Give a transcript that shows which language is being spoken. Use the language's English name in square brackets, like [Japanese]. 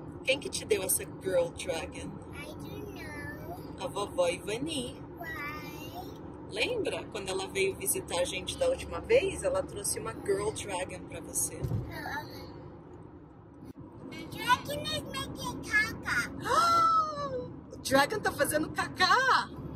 [Portuguese] Quem que te deu essa girl dragon? [English] I don't know. [Portuguese] A vovó Ivani. [English] Why? [Portuguese] Lembra? Quando ela veio visitar a gente da última vez, ela trouxe uma girl dragon pra você. [English] The dragon is making caca. [Portuguese] O dragon tá fazendo cacá?